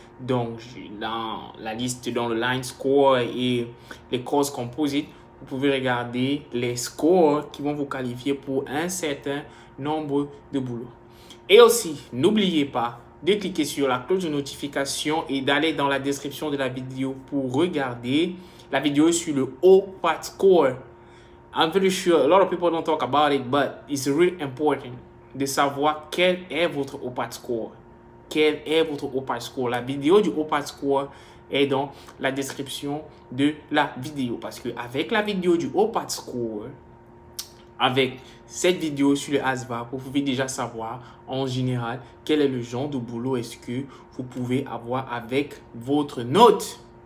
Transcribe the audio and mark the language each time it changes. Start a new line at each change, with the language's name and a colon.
French: Donc, dans la liste, dans le line score et les cross composites, vous pouvez regarder les scores qui vont vous qualifier pour un certain nombre de boulots. Et aussi, n'oubliez pas de cliquer sur la cloche de notification et d'aller dans la description de la vidéo pour regarder la vidéo sur le OPAT score.
English: I'm pretty sure a lot of people don't talk about it, but it's really important
French: de savoir quel est votre OPAT score. Quel est votre OPAT score? La vidéo du OPAT score est dans la description de la vidéo. Parce que avec la vidéo du OPAT score, avec cette vidéo sur le ASVAB, vous pouvez déjà savoir en général quel est le genre de boulot est-ce que vous pouvez avoir avec votre note.